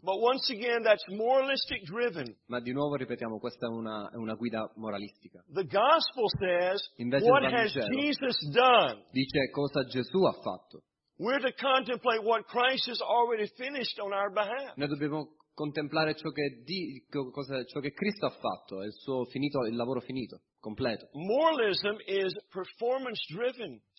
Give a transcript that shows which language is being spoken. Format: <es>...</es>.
<en>But once again, that's moralistic driven.</en> <it>Ma di nuovo ripetiamo, questa è una guida moralistica.</it> <en>The gospel says,</en> <it>invece</it> <en>what has Jesus done?</en> <it>Dice cosa Gesù ha fatto.</it> <en>We're to contemplate what Christ has already finished on our behalf.</en> <it>Noi dobbiamo contemplare ciò che Cristo ha fatto, il suo finito, il lavoro finito, completo.</it> <en>Moralism is performance driven.</en>